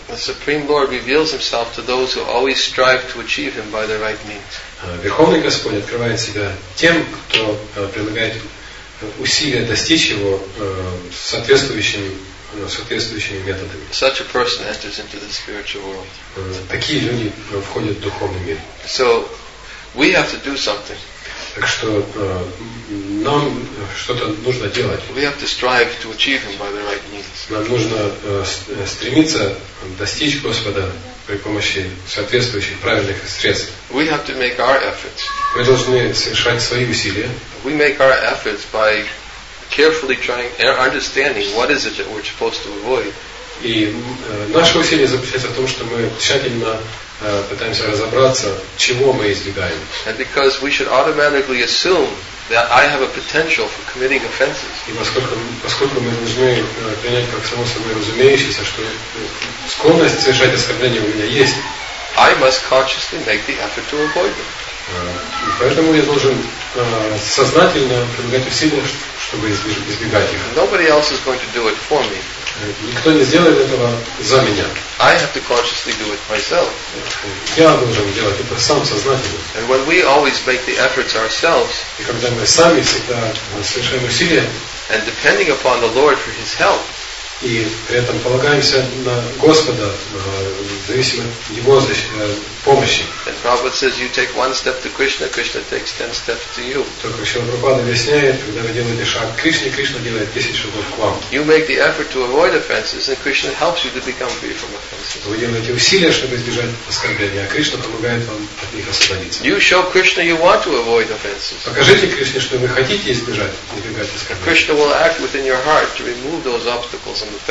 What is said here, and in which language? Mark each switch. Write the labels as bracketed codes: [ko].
[en] The Supreme Lord reveals himself to those who always strive to achieve him by the right means. [ru] Верховный Господь открывает себя тем, кто прилагает усилия достичь его соответствующими методами. [en] Such a person enters into the spiritual world. [ru] Такие люди входят в духовный мир. [en] So we have to do something. [ru] Так что нам что-то нужно делать. [en] We have to strive to achieve him by the right means. [ru] Нам нужно стремиться достичь Господа при помощи соответствующих правильных средств. [en] We have to make our efforts. [ru] Мы должны совершать свои усилия. [en] We make our efforts by carefully trying understanding what is it that we're supposed to avoid. [ru] И наше усилие заключается в том, что мы тщательно пытаемся разобраться, чего мы избегаем. [en] And because we should automatically assume that I have a potential for committing offenses. [ru] И поскольку мы должны принять как само собой разумеющееся, что склонность совершать оскорбления у меня есть, [en] I must consciously make the effort to avoid them. [ru] И поэтому я должен сознательно прилагать усилия, чтобы избегать их. [en] Nobody else is going to do it for me. [ru] Никто не сделает этого за меня. [en] I have to consciously do it myself. [ru] Я должен делать это сам сознательно. [en] And when we always make the efforts ourselves, [ru] и когда мы сами всегда совершаем усилия, [en] and depending upon the Lord for His help, [ru] и при этом полагаемся на Господа, зависим от Его помощи. [en] And Prabhupada says, you take one step to Krishna, Krishna takes 10 steps to you. [ru] Только Шрила Прабхупада объясняет, когда вы делаете шаг к Кришне, Кришна делает 10 шагов к вам. [en] You make the effort to avoid offenses, and Krishna helps you to become free from offenses. [ru] Вы делаете усилия, чтобы избежать оскорбления, а Кришна помогает вам от них освободиться. [en] You show Krishna you want to avoid offenses. [ru] Покажите Кришне, что вы хотите избегать оскорбления. [en] Krishna will act within your heart to remove those obstacles.